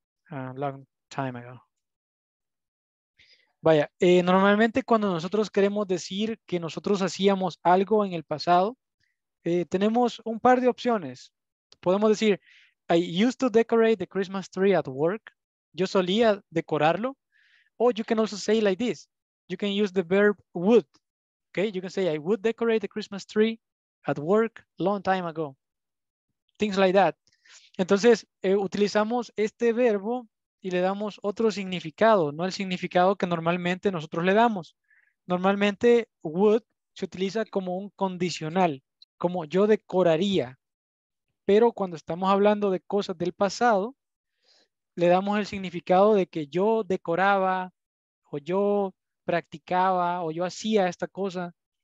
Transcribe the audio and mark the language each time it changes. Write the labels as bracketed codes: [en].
[en] A long time ago. [es] Vaya, normalmente cuando nosotros queremos decir que nosotros hacíamos algo en el pasado, tenemos un par de opciones. Podemos decir, [en] I used to decorate the Christmas tree at work. [es] Yo solía decorarlo. [en] Or you can also say like this. You can use the verb would. Okay, you can say I would decorate the Christmas tree at work long time ago. Things like that. [es] Entonces, utilizamos este verbo y le damos otro significado, no el significado que normalmente nosotros le damos. Normalmente, would se utiliza como un condicional, como yo decoraría. Pero cuando estamos hablando de cosas del pasado, le damos el significado de que yo decoraba, o yo practicaba, o yo hacía esta cosa.